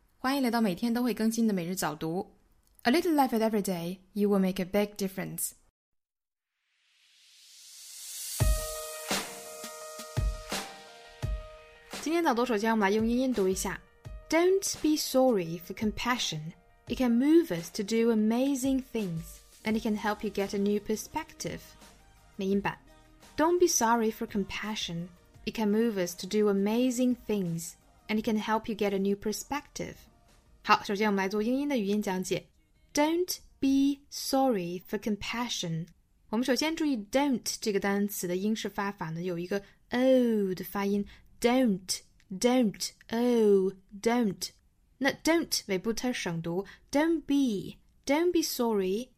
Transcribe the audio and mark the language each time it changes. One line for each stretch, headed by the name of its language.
Chinese: 欢迎来到每天都会更新的每日早读。
English: A little life at every day, you will make a big difference.
Chinese: 今天早读首先我们来用英音读一下。
English: Don't be sorry for compassion. It can move us to do amazing things, and it can help you get a new perspective.
Chinese: 美音版。
English: Don't be sorry for compassion. It can move us to do amazing things. And it can help you get a new perspective.
Chinese: 好，首先我们来做英音的语音讲解。
English: Don't be sorry for compassion.
Chinese: 我们首先注意 don't 这个单词的英式发法呢，有一个 o 的发音。
English: Don't, don't, o, don't.
Chinese: 那 don't 尾部特省读。
English: Don't be sorry.